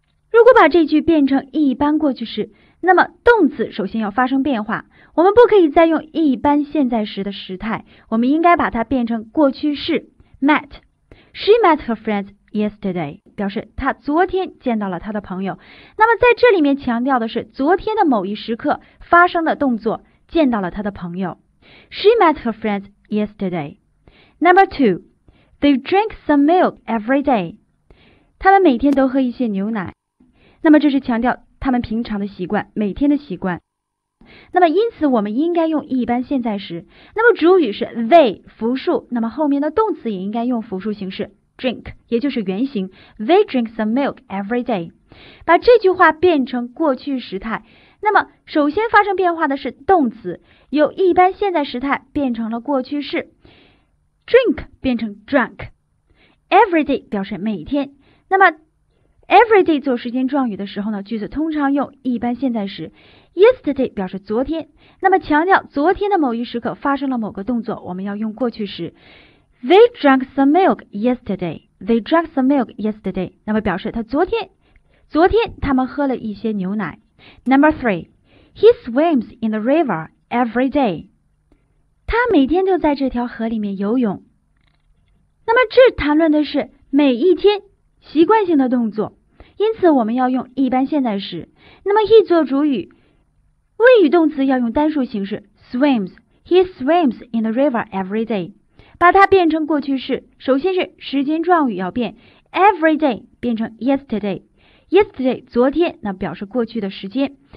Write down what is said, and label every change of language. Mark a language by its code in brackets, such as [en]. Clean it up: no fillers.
[zh] 如果把这句变成一般过去式，那么动词首先要发生变化，我们不可以再用一般现在时的时态，我们应该把它变成过去式 met. [en] She met her friends yesterday， [zh] 表示她昨天见到了她的朋友。那么在这里面强调的是昨天的某一时刻发生的动作，见到了她的朋友。 [en] She met her friends yesterday. Number two, they drink some milk every day. [zh] 他们每天都喝一些牛奶，那么这是强调他们平常的习惯，每天的习惯。那么因此我们应该用一般现在时，那么主语是 they 复数，那么后面的动词也应该用复数形式 drink， 也就是原形。 [en] They drink some milk every day， [zh] 把这句话变成过去时态，那么首先发生变化的是动词，由一般现在时态变成了过去式， [en] drink 变成 drunk。 Every day [zh] 表示每天，那么Every day 做时间状语的时候呢，句子通常用一般现在时。 Yesterday 表示昨天，那么强调昨天的某一时刻发生了某个动作，我们要用过去时。 [en] They drank some milk yesterday. They drank some milk yesterday. [zh] 那么表示他昨天他们喝了一些牛奶。 [en] Number three, he swims in the river every day. [zh] 他每天都在这条河里面游泳。那么这谈论的是每一天习惯性的动作，因此我们要用一般现在时。那么 he 做主语，谓语动词要用单数形式 swims。 [en] He swims in the river every day， [zh] 把它变成过去式，首先是时间状语要变， [en] every day 变成 yesterday， [zh] yesterday 昨天，那表示过去的时间。